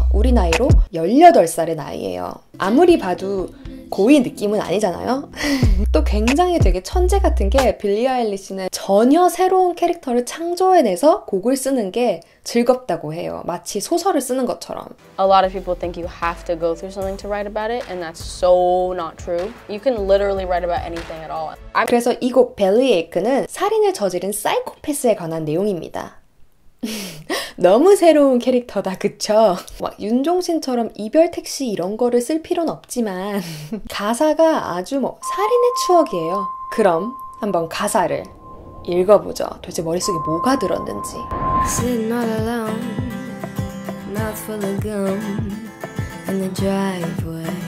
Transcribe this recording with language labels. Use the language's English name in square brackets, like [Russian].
[Korean] 우리 나이로 18살의 나이예요. 아무리 봐도 고의 느낌은 아니잖아요? 또 굉장히 되게 천재 같은 게 빌리 아일리시는 전혀 새로운 캐릭터를 창조해내서 곡을 쓰는 게 즐겁다고 해요. 마치 소설을 쓰는 것처럼. [English] A lot of people think you have to go through something to write about it, and that's so not true. You can literally write about anything at all. [Korean] 그래서 이 곡 Bellyache는 살인을 저지른 사이코패스에 관한 내용입니다. 너무 새로운 캐릭터다, 그쵸? 막 윤종신처럼 이별 택시 이런 거를 쓸 필요는 없지만 가사가 아주 뭐 살인의 추억이에요. 그럼 한번 가사를 읽어보죠. 도대체 머릿속에 뭐가 들었는지. [English] Sitting all alone, mouth full of gum in the driveway.